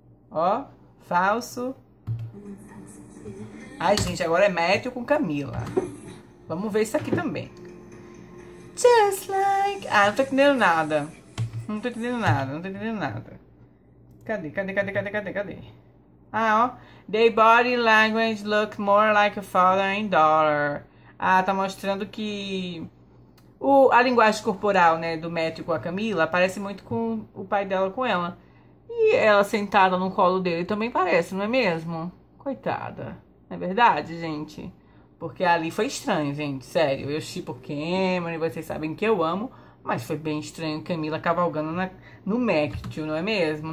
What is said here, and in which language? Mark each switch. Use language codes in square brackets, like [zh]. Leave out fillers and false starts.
[pt] Ó, falso. Ai, gente, agora é Matthew com Camila. Vamos ver isso aqui também. [en] Just like... [pt] Ah, não tô entendendo nada. Não tô entendendo nada, não tô entendendo nada. Cadê, cadê, cadê, cadê, cadê, cadê? Ah, ó. [en] Their body language look more like a father and daughter. [pt] Ah, tá mostrando que... A linguagem corporal, né, do Matthew com a Camila parece muito com o pai dela com ela. E ela sentada no colo dele também parece, não é mesmo? Coitada. Não é verdade, gente? Porque ali foi estranho, gente. Sério, eu shippo Cameron, vocês sabem que eu amo. Mas foi bem estranho Camila cavalgando no Matthew, não é mesmo?